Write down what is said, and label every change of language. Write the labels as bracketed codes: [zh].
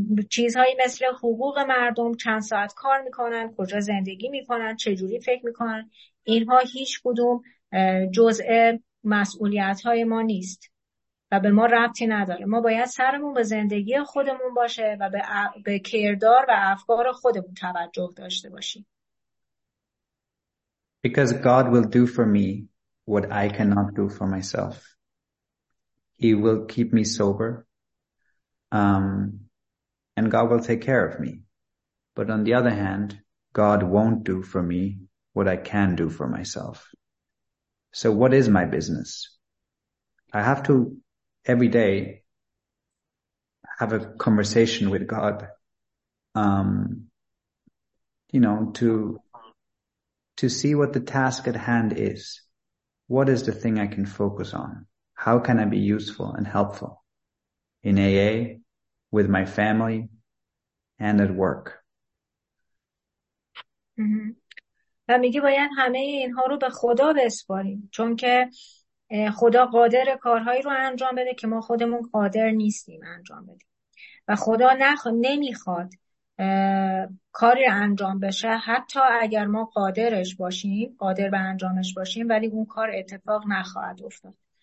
[fa] چیزهایی مثل حقوق مردم، چند ساعت کار میکنن، کجا زندگی میکنن، چجوری فکر میکنن، اینها هیچ کدوم جزء مسئولیتهای ما نیست و به ما ربطی نداره. ما باید سرمون به زندگی خودمون باشه و به کردار و افکار خودمون توجه داشته باشیم. [en] Because God will do for me what I cannot do for myself. He will keep me sober. And God will take care of me. But on the other hand, God won't do for me what I can do for myself. So what is my business? I have to, every day, have a conversation with God. You know, to see what the task at hand is. What is the thing I can focus on? How can I be useful and helpful in AA, with my family, and at work? [fa] و میگه باید همه اینها رو به خدا بسپاریم، چون که خدا قادر کارهایی رو انجام بده که ما خودمون قادر نیستیم انجام بدیم و خدا نمیخواد کاری انجام بشه حتی اگر ما قادرش باشیم، قادر به انجامش باشیم، ولی اون کار اتفاق نخواهد افتاد.